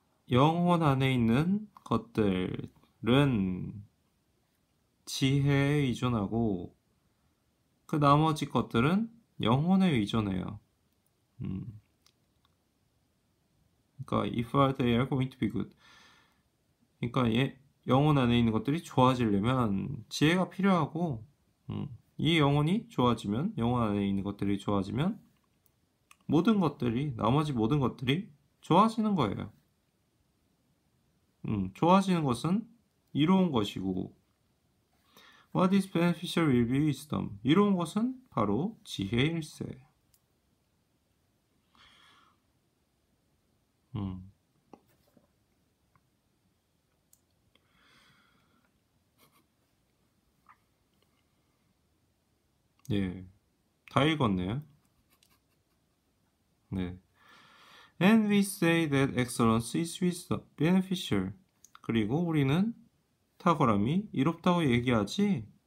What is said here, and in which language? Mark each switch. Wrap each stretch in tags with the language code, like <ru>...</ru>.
<ko>영혼 안에 있는 것들은 지혜에 의존하고, 그 나머지 것들은 영혼에 의존해요.</ko> <en>그러니까, if they are going to be good.</en> <ko>그러니까 영혼 안에 있는 것들이 좋아지려면 지혜가 필요하고, 이 영혼이 좋아지면, 영혼 안에 있는 것들이 좋아지면 모든 것들이, 나머지 모든 것들이 좋아지는 거예요. 좋아지는 것은 이로운 것이고,</ko> <en>What is beneficial will be wisdom.</en> <ko>이로운 것은 바로 지혜일세. 예, 다 읽었네요. 네.</ko> <en>And we say that excellence is wisdom, beneficial.</en> <ko>그리고 우리는 탁월함이 이롭다고 얘기하지.</ko>